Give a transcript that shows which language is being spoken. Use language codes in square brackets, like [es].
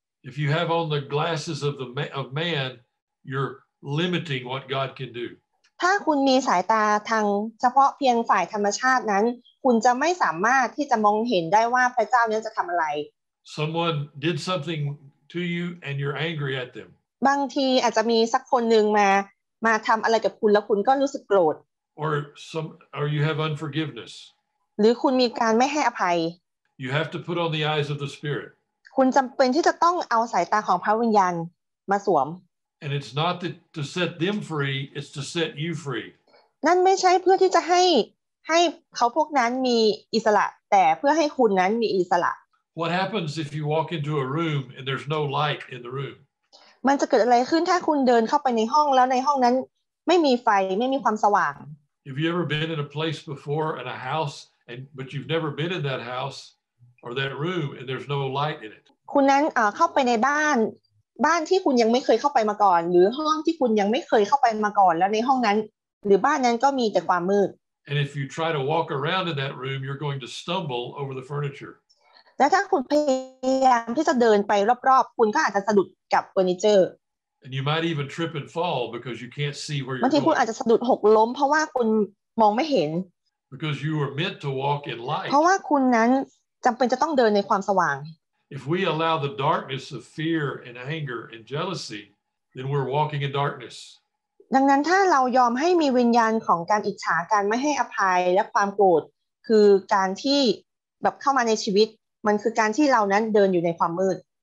[en] If you have on the glasses of the man, you're limiting what God can do. [th] ถ้าคุณมีสายตาทางเฉพาะเพียงฝ่ายธรรมชาตินั้นคุณจะไม่สามารถที่จะมองเห็นได้ว่าพระเจ้านั้นจะทำอะไร [en] Someone did something to you, and you're angry at them. [th] บางทีอาจจะมีสักคนหนึ่งมาทำอะไรกับคุณแล้วคุณก็รู้สึกโกรธ [en] or you have unforgiveness [th] หรือคุณมีการไม่ให้อภัย [en] you have to put on the eyes of the spirit [th] คุณจำเป็นที่จะต้องเอาสายตาของพระวิญญาณมาสวม [en] and it's not to set them free it's to set you free [th] นั่นไม่ใช่เพื่อที่จะให้เขาพวกนั้นมีอิสระแต่เพื่อให้คุณนั้นมีอิสระ [en] what happens if you walk into a room and there's no light in the roomm [th] นจะเกิดอะไรขึ้นถ้าคุณเดินเข้าไปในห้องแล้วในห้องนั้นไม่มีไฟไม่มีความสว่าง [en] Have you ever been in a place before in a house and but you've never been in that house or that room and there's no light in it [th] คุณนั้นเข้าไปในบ้านที่คุณยังไม่เคยเข้าไปมาก่อนหรือห้องที่คุณยังไม่เคยเข้าไปมาก่อนแล้วในห้องนั้นหรือบ้านนั้นก็มีแต่ความมืด [en] And if you try to walk around in that room you're going to stumble over the furniture [th] และถ้าคุณพยายามที่จะเดินไปรอบๆคุณก็อาจจะสะดุดกับเฟอร์นิเจอร์ [en] And you might even trip and fall because you can't see where you're [th] going บางทีคุณอาจจะสะดุดหกล้มเพราะว่าคุณมองไม่เห็น [en] Because you were meant to walk in light [th] เพราะว่าคุณนั้นจำเป็นจะต้องเดินในความสว่าง [en] If we allow the darkness of fear and anger and jealousy then we're walking in darkness [th] ดังนั้นถ้าเรายอมให้มีวิญญาณของการอิจฉาการไม่ให้อภัยและความโกรธคือการที่แบบเข้ามาในชีวิตมันคือการที่เรานั้นเดินอยู่ในความมืด